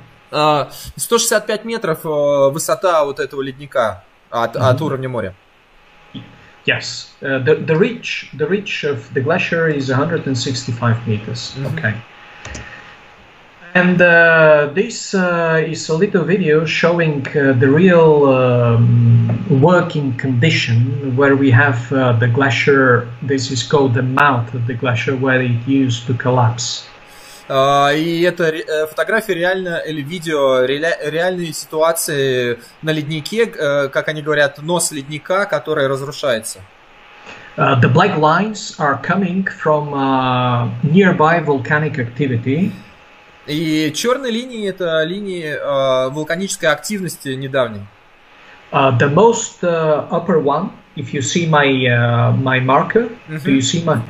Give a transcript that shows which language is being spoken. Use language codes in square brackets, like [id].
[ru] А, 165 метров высота вот этого ледника от уровня моря. [en] Yes, the ridge of the glacier is 165 meters. Okay. And this is a little video showing the real working condition where we have the glacier. This is called the mouth of the glacier where it used to collapse. [ru] И это фотография реально, или видео реальные ситуации на леднике, как они говорят, нос ледника, который разрушается. [en] The black lines are coming from nearby volcanic activity. [ru] И черные линии — это линии вулканической активности недавней. [en] The most upper one, if you see my marker, do you see my?